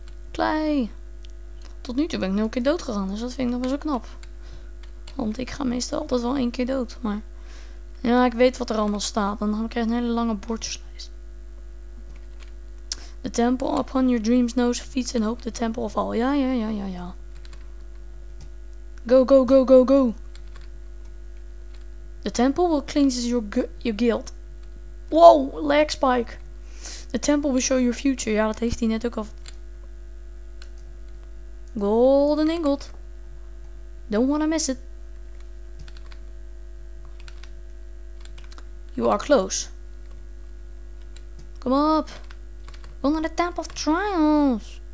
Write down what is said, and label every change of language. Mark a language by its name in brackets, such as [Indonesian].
[Dutch] Klei. Tot nu toe ben ik 0 keer dood gegaan, dus dat vind ik nog wel zo knap. Want ik ga meestal altijd wel 1 keer dood, maar... Ja, ik weet wat er allemaal staat. En dan krijg je een hele lange bordjeslijst. [English] The temple upon your dreams knows feats and hope. The temple of all. Ja, ja, ja, ja, ja. Go, go, go, go, go. The temple will cleanse your guilt. Wow, leg spike. The temple will show your future. [Dutch] Ja, dat heeft hij net ook al. [English] Golden ingot. Don't wanna miss it. You are close. Come up. [Dutch] Go naar de Temple of Trials.